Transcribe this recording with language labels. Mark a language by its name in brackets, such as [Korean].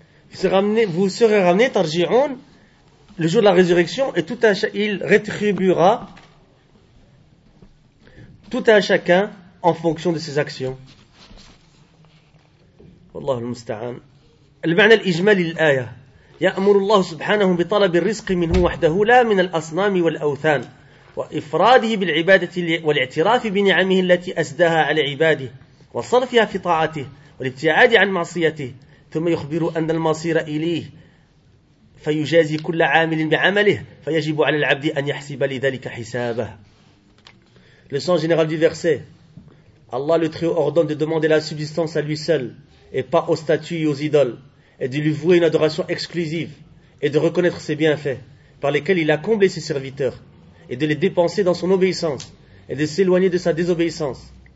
[French] Vous serez ramené tarji'un le jour de la résurrection et il rétribuera tout un chacun en fonction de ses actions. [Arabic] Wallahu al-musta'an. Le معنى الاجمالي للآية. يأمر الله سبحانه بطلب الرزق منه وحده لا من الأصنام والأوثان وإفراده بالعبادة والاعتراف بنعمه التي أسداها على عباده وصرفها في طاعته والابتعاد عن معصيته ثم يخبر أن المصير إليه فيجازي كل عامل بعمله فيجب على العبد أن يحسب لذلك حسابه. [French] Le sens général du verset. Allah le Très-Haut ordonne de demander la subsistance à lui seul et pas aux statues et aux idoles et de lui vouer une adoration exclusive et de reconnaître ses bienfaits par lesquels il a comblé ses serviteurs et de les dépenser dans son obéissance et de s'éloigner de sa désobéissance.